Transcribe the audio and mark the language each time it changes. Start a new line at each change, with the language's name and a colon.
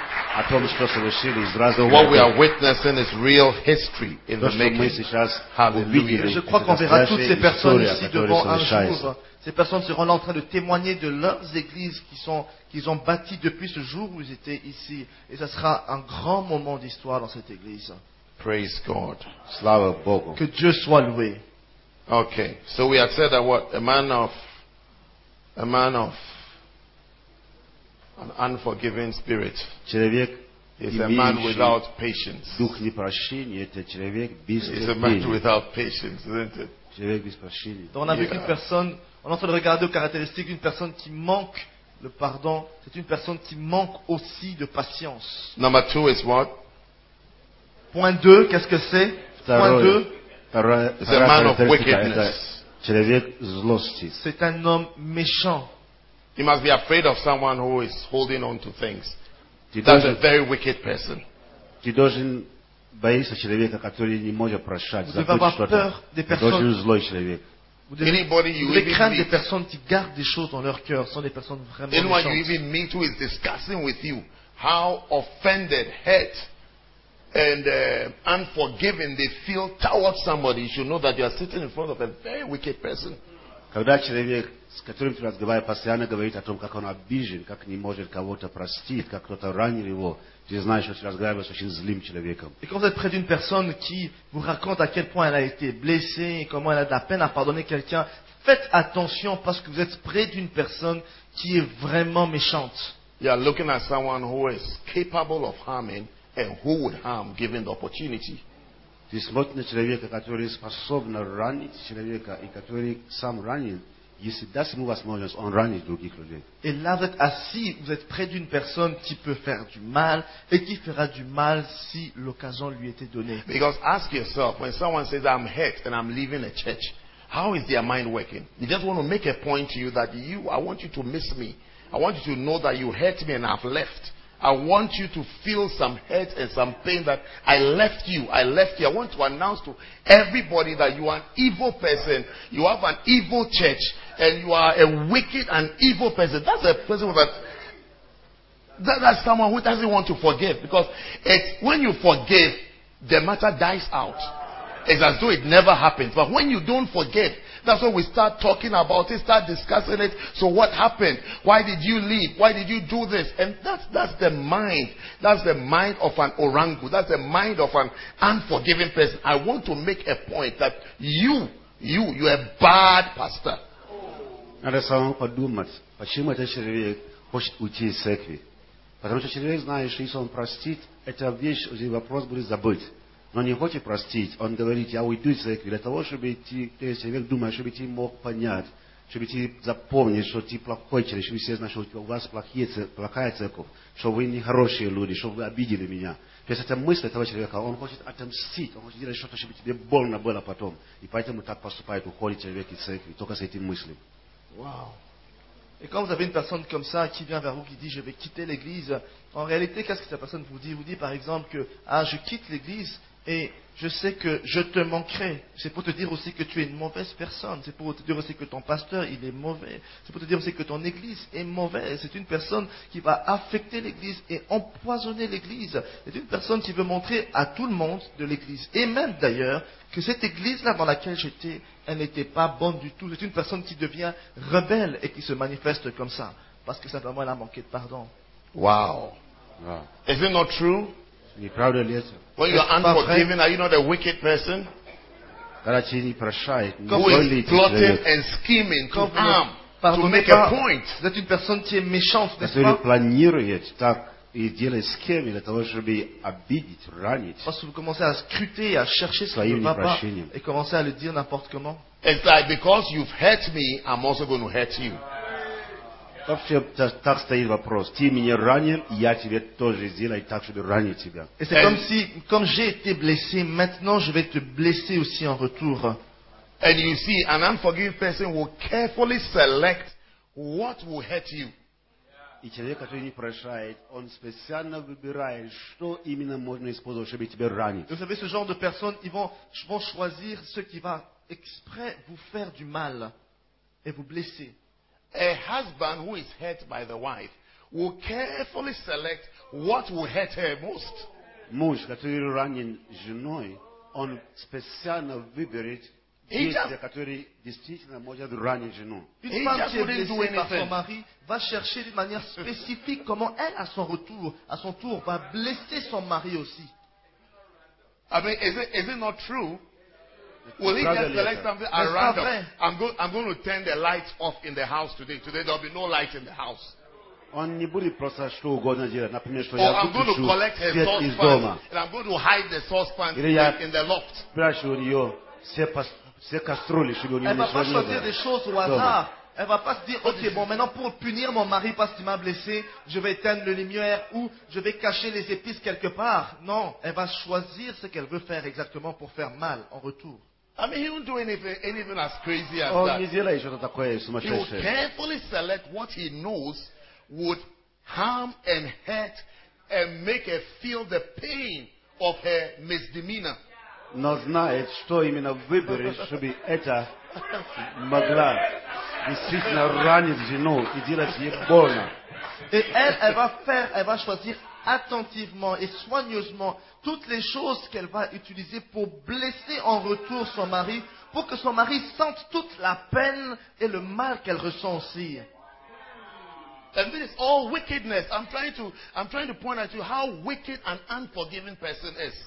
English: What we are witnessing is real history in the making. Hallelujah.
French: Je crois qu'on verra toutes ces personnes ici devant un jour. Ces personnes seront là en train de témoigner de leurs églises qu'ils ont bâties depuis ce jour où ils étaient ici. Et ça sera un grand moment d'histoire dans cette église.
English: Praise God.
Russian: Slava Bogu.
French: Que Dieu soit loué.
English: Okay. So we had said that what a man of an unforgiving spirit is a man without patience.
French: Donc on a vu qu'une personne, on est en train de regarder aux caractéristiques d'une personne qui manque le pardon, c'est une personne qui manque aussi de patience.
English: Number two is what?
French: Point 2, qu'est-ce que c'est? Point 2,
English: it's a man of wickedness.
Russian: Человек злости.
French: C'est un homme méchant.
English: You must be afraid of someone who is holding on to things. That's a very wicked person.
Russian: Ты должен бояться человека, который не может прощать, забыть что-то. Злой человек.
English: Anybody you even meet,
French: des personnes qui gardent des choses dans leur cœur sont des personnes vraiment méchantes.
English: Anyone you even meet who is discussing with you how offended, hurt, and unforgiving they feel towards somebody, you should know that you are sitting in front of a very wicked person.
Russian: Когда человек, с которым ты разговариваешь, постоянно говорит о том, как он обижен, как не может кого-то простить, как кто-то ранил его, ты знаешь, что ты разговариваешь с очень злым человеком. И когда вы
French: près d'une personne qui vous raconte à quel point elle a été blessée et comment elle a de la peine à pardonner quelqu'un, faites attention parce que vous êtes près d'une personne qui est vraiment méchante.
English: You are looking at someone who is capable of harming and who would harm given the opportunity.
Russian: Ты смотришь на человека, который способен ранить человека и который сам ранен. Если даст ему возможность, он ранит других людей.
French: Et là, vous êtes assis, vous êtes près d'une personne qui peut faire du mal et qui fera du mal si l'occasion lui était donnée.
English: Because ask yourself, when someone says I'm hurt and I'm leaving a church, how is their mind working? They just want to make a point to you that you, I want you to miss me. I want you to know that you hurt me and I've left. I want you to feel some hurt and some pain that I left you. I left you. I want to announce to everybody that you are an evil person. You have an evil church. And you are a wicked and evil person. That's a person that's someone who doesn't want to forgive. Because when you forgive, the matter dies out. It's as though it never happened. But when you don't forgive, that's when we start talking about it, start discussing it. So what happened? Why did you leave? Why did you do this? And that's the mind. That's the mind of an orangu. That's the mind of an unforgiving person. I want to make a point that you are a bad pastor.
Russian: Надо самому подумать, почему этот человек хочет уйти из церкви. Потому что человек знает, что если он простит, эта вещь, вопрос будет забыть. Но не хочет простить, он говорит, я уйду из церкви, для того, чтобы ты, человек думает, чтобы ты мог понять, чтобы ты запомнил, что ты плохой человек, чтобы все знали, что у вас плохая церковь, что вы нехорошие люди, что вы обидели меня. То есть это мысль этого человека, он хочет отомстить, он хочет делать что-то, чтобы тебе больно было потом. И поэтому так поступает, уходит человек из церкви, только с этим мыслью.
English: Wow.
French: Et quand vous avez une personne comme ça qui vient vers vous, qui dit « je vais quitter l'église », en réalité, qu'est-ce que cette personne vous dit? Vous dit par exemple que « ah, je quitte l'église et je sais que je te manquerai ». C'est pour te dire aussi que tu es une mauvaise personne. C'est pour te dire aussi que ton pasteur, il est mauvais. C'est pour te dire aussi que ton église est mauvaise. C'est une personne qui va affecter l'église et empoisonner l'église. C'est une personne qui veut montrer à tout le monde de l'église. Et même d'ailleurs, que cette église-là dans laquelle j'étais, elle n'était pas bonne du tout. C'est une personne qui devient rebelle et qui se manifeste comme ça. Parce que simplement, elle a manqué de pardon.
English: Wow. Is it not true?
French: C'est pas vrai.
English: When you are unforgiving, are you not a wicked person? Who is plotting and scheming to harm, to make a point?
French: Vous êtes une personne qui est méchante, n'est-ce pas?
Russian: Планирует так и делает схемы для того, чтобы обидеть, ранить.
French: Parce que vous commencez à scruter, à chercher ce qui ne va pas, et commencez à le dire n'importe comment.
English: It's like because you've hurt me, I'm also going to hurt you.
Russian: Так стоит вопрос. Ты меня ранил, я тебе тоже сделаю так, чтобы ранить тебя.
French: Et c'est comme si, comme j'ai été blessé, maintenant je vais te blesser aussi en retour.
English: And you see, an unforgiving person will carefully select what will hurt you.
Russian: И человек, который не прощает, он специально выбирает, что именно можно использовать, чтобы тебя ранить.
French: Vous savez, ce genre de personnes, ils vont choisir ce qui va exprès vous faire du mal et vous blesser.
English: A husband who is hurt by the wife will carefully select what will hurt her most.
Russian: Муж, который ранен женой, он специально выберет действие, которое действительно может ранить жену.
French: Une femme qui est blessée par son mari va chercher d'une manière spécifique comment elle, à son tour, va blesser son mari aussi.
English: I mean, is it not true? Will he just select something at random? I'm going to turn the lights off in the house today. Today there will be no light in the house. Or I'm going to collect her saucepan and I'm going to hide the saucepan in the loft.
French: Elle va pas choisir des choses au hasard. Elle va pas se dire, ok, bon, maintenant pour punir mon mari parce qu'il m'a blessé, je vais éteindre le lumière ou je vais cacher les épices quelque part. Non, elle va choisir ce qu'elle veut faire exactement pour faire mal en retour.
English: I mean, he won't do anything as crazy as
Russian: он
English: that.
Russian: Не сделает что-то такое сумасшедшее.
English: He will carefully select what he knows would harm and hurt and make her feel the pain of her misdemeanor.
Russian: Но знает, что именно выберет, чтобы это могла действительно ранить жену и делать ей больно.
French: Et elle va faire, elle va choisir attentivement et soigneusement toutes les choses qu'elle va utiliser pour blesser en retour son mari, pour que son mari sente toute la peine et le mal qu'elle ressent aussi.
English: And this is all wickedness. I'm trying to point out to you how wicked an unforgiving person is.